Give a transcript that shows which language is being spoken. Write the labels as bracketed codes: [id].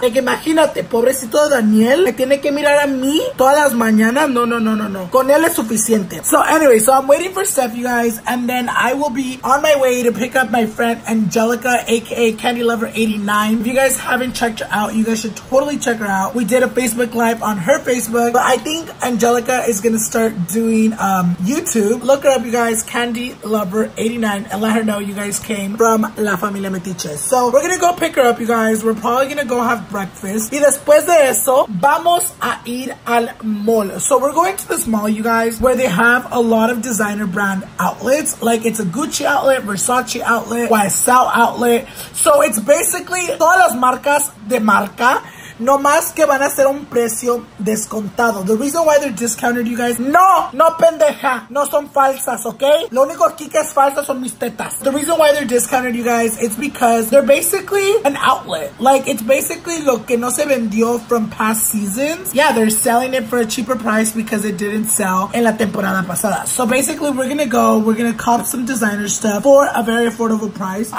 [es] Like, imagínate, pobrecito de Daniel, me tiene que mirar a mí todas las mañanas. No, no, no, no, no. Con él es suficiente. [en] So anyway, so I'm waiting for Steph, you guys, and then I will be on my way to pick up my friend Angelica, aka Candy Lover 89. If you guys haven't checked her out, you guys should totally check her out. We did a Facebook Live on her Facebook, but I think Angelica is gonna start doing YouTube. Look it up, you guys. Candy Lover 89, and let her know you guys came from La Familia Metiche. So we're gonna go pick her up, you guys. We're probably gonna go have breakfast. [es] Y después de eso, vamos a ir al mall. [en] So we're going to this mall, you guys, where they have a lot of designer brand outlets. Like, it's a Gucci outlet, Versace outlet, YSL outlet. So it's basically [es] todas las marcas de marca. No más que van a ser un precio descontado. [en] The reason why they're discounted, you guys. [es] No, no pendeja. No son falsas, okay? Lo único aquí que es falsa son mis tetas. [en] The reason why they're discounted, you guys, it's because they're basically an outlet. Like, it's basically [es] lo que no se vendió [en] from past seasons. Yeah, they're selling it for a cheaper price because it didn't sell [es] en la temporada pasada. [en] So basically, we're gonna go. We're gonna cop some designer stuff for a very affordable price.